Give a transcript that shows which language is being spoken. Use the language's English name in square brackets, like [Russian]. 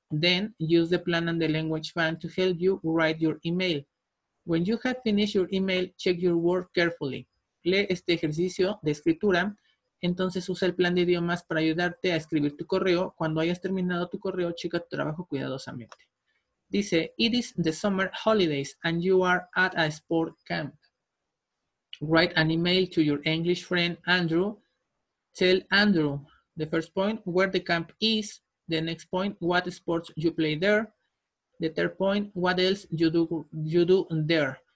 [English] Then use the plan and the language fan to help you write your email. When you have finished your email, check your work carefully. [Spanish] Lee este ejercicio de escritura. Entonces usa el plan de idiomas para ayudarte a escribir tu correo. Cuando hayas terminado tu correo, checa tu trabajo cuidadosamente. Dice, [English] it is the summer holidays and you are at a sport camp. Write an email to your English friend, Andrew. Tell Andrew, the first point, where the camp is. The next point, what sports you play there. The third point, what else you do there.